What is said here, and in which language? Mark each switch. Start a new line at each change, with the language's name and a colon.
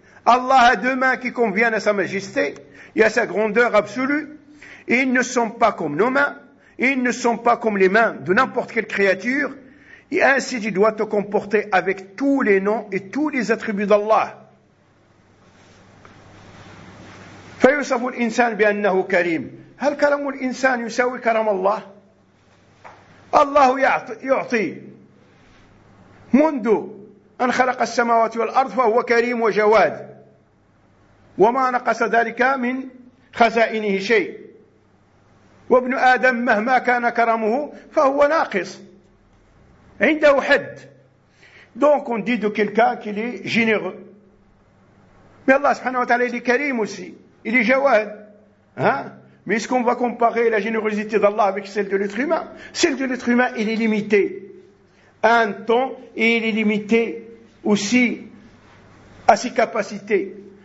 French: Allah a deux mains qui conviennent à sa majesté et à sa grandeur absolue. Et ils ne sont pas comme nos mains. Ils ne sont pas comme les mains de n'importe quelle créature. Et ainsi, tu dois te comporter avec tous les noms et tous les attributs d'Allah.
Arabic: فَيُصَفُ الْإِنسَانِ بِأَنَّهُ كَرِيمٌ هَلْ كَرَمُ الْإِنسَانِ يُسَوِي كَرَمَ اللَّهِ الله يعطي منذ أن خلق السماوات والأرض فهو كريم وجواد، وما نقص ذلك من خزائنه شيء، وابن آدم مهما كان كرمه فهو ناقص، عنده حد.
French: Donc on dit de quelqu'un qu'il est généreux. Mais Allah
Arabic: subhanahu wa ta'ala
French: il est karim aussi, il est jawad. Mais est-ce qu'on va comparer la générosité d'Allah avec celle de l'être humain? Celle de l'être humain, il est limité. Un temps, et il est limité aussi à ses capacités.